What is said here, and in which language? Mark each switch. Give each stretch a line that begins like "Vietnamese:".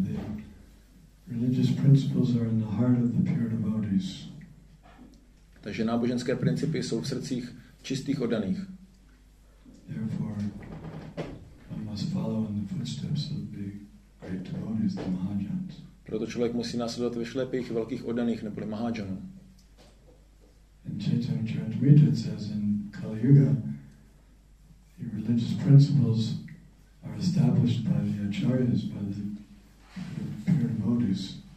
English: The religious principles are in the heart of the pure devotees.
Czech: Takže náboženské principy jsou v srdcích čistých oddaných.
English: Therefore one must follow in the footsteps of the great devotees, the mahajans.
Czech: Proto člověk musí následovat ve šlépích velkých oddaných, neboli mahajanů.
English: And Chaitanya Charitamrita says in Kali Yuga the religious principles are established by the acharyas, by the pure devotees.